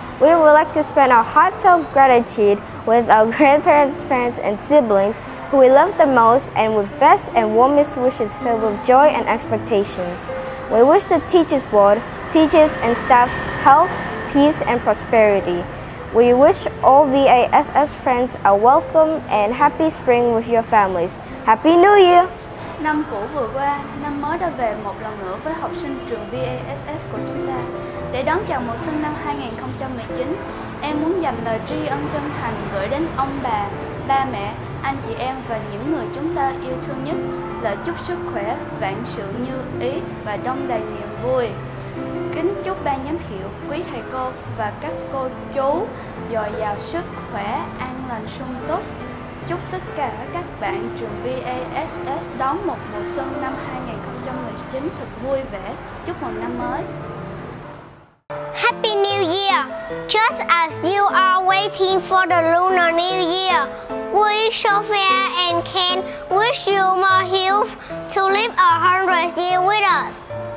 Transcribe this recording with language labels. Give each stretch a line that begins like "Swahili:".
English: We would like to spend our heartfelt gratitude with our grandparents, parents, and siblings who we love the most and with best and warmest wishes filled with joy and expectations. We wish the teachers board, teachers and staff health, peace, and prosperity. We wish all VASS friends a welcome and happy spring with your families. Happy New Year!
Vietnamese: Năm cũ vừa qua, năm mới đã về một lần nữa với học sinh trường VASS của chúng ta. Để đón chào mùa xuân năm 2019, em muốn dành lời tri ân chân thành gửi đến ông bà, ba mẹ, anh chị em và những người chúng ta yêu thương nhất. Lời chúc sức khỏe, vạn sự như ý và đông đầy niềm vui. Kính chúc ban giám hiệu, quý thầy cô và các cô chú dồi dào sức khỏe, an lành, sung túc. Chúc tất cả các bạn trường VASS đón một mùa xuân năm 2019 thật vui vẻ. Chúc mừng năm mới.
English: Happy New Year! Just as you are waiting for the Lunar New Year, we, Sophia and Ken, wish you more health to live 100 years with us.